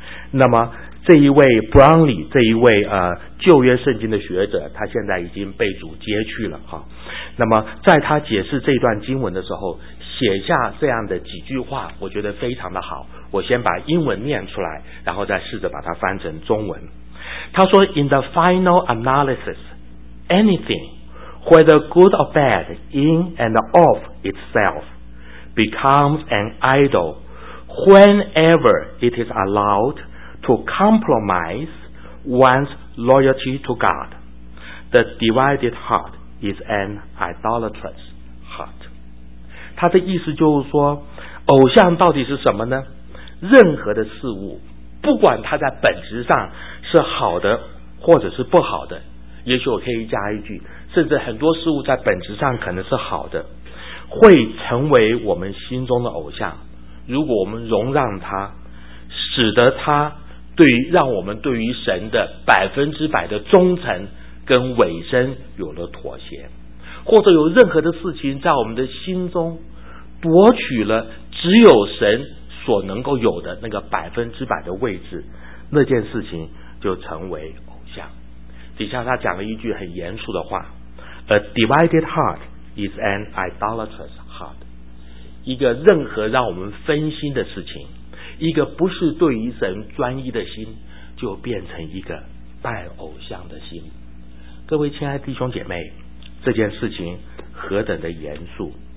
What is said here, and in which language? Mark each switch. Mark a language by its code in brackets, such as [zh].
[zh] 那么这一位 Brownlee 这一位旧约圣经的学者，他现在已经被主接去了哈。那么在他解释这段经文的时候写下这样的几句话，我觉得非常的好，我先把英文念出来然后再试着把它翻成中文。他说 [en] In the final analysis, anything, whether good or bad, in and of itself, becomes an idol whenever it is allowed to compromise one's loyalty to God. The divided heart is an idolatrous heart. [zh] 他的意思就是说，偶像到底是什么呢？任何的事物，不管它在本质上是好的或者是不好的，也许我可以加一句，甚至很多事物在本质上可能是好的，会成为我们心中的偶像。如果我们容让它，使得它对于让我们对于神的100%的忠诚跟委身有了妥协，或者有任何的事情在我们的心中夺取了只有神所能够有的那个100%的位置，那件事情就成为偶像。底下他讲了一句很严肃的话， [en] A divided heart is an idolatrous heart. [zh] 一个任何让我们分心的事情，一个不是对于神专一的心，就变成一个拜偶像的心。各位亲爱弟兄姐妹，这件事情何等的严肃。